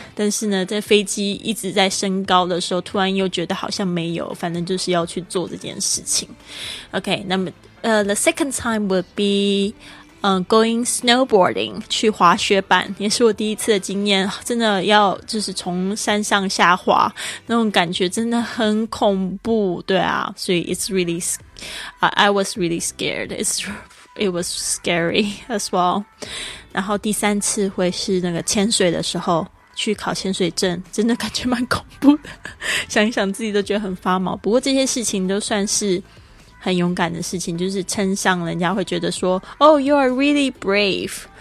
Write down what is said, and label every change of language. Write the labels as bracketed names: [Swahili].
[Chinese] 但是呢，在飞机一直在升高的时候，突然又觉得好像没有，反正就是要去做这件事情。 OK， 那么 [English] the second time would be going snowboarding， [Chinese] 去滑雪板，也是我第一次的经验。真的要就是从山上下滑，那种感觉真的很恐怖。对啊，所以 [English] it's really I was really scared. It was scary as well. [Chinese] 然后第三次会是那个潜水的时候，去考潜水证，真的感觉蛮恐怖的，想一想自己都觉得很发毛。不过这些事情都算是很勇敢的事情，就是称上人家会觉得说 [English] Oh, you are really brave.